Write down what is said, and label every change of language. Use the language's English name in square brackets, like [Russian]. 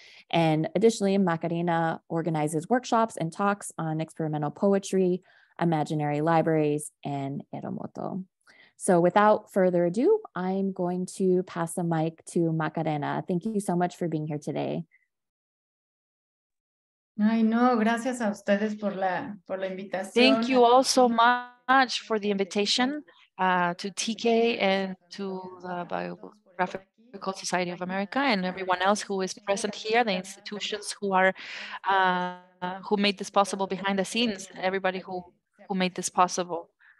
[English] And additionally, Macarena organizes workshops and talks on experimental poetry, imaginary libraries, and Aeromoto. So without further ado, I'm going to pass the mic to Macarena. Thank you so much for being here today. [Spanish] Ay, no, gracias a ustedes por la invitación. [English] Thank you all so much for the invitation to TK and to the Biographical Society of America and everyone else who is present here, the institutions who made this possible behind the scenes, everybody who made this possible.